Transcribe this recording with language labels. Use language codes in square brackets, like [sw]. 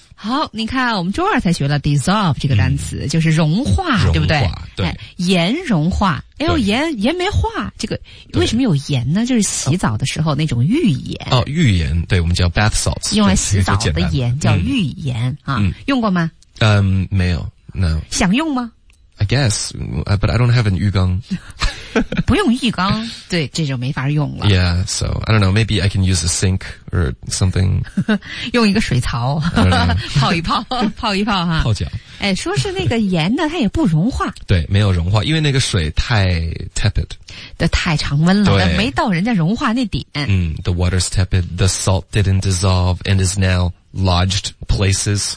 [zh] 好，你看我们周二才学了 dissolve 这个单词、嗯、就是融化，对不对？对，盐融化，哎呦，盐没化，这个为什么有盐呢？就是洗澡的时候那种浴盐。哦，浴盐，对，我们叫 [en] bath salts， [zh] 用来洗澡的盐叫浴盐、嗯啊嗯、用过吗？没有 no。想用吗？ [en] I guess, but I don't have an [zh] 浴缸。不用浴缸，对，这就没法用了。 [en] Yeah, so I don't know. Maybe I can use a sink or something. [zh] 用一个水槽泡一泡，泡一泡哈。泡脚。哎，说是那个盐呢，它也不融化。对，没有融化，因为那个水太 tepid，太常温了，没到人家融化那点。 [en] 嗯 ，the water's tepid, the salt didn't dissolve and is now lodged places。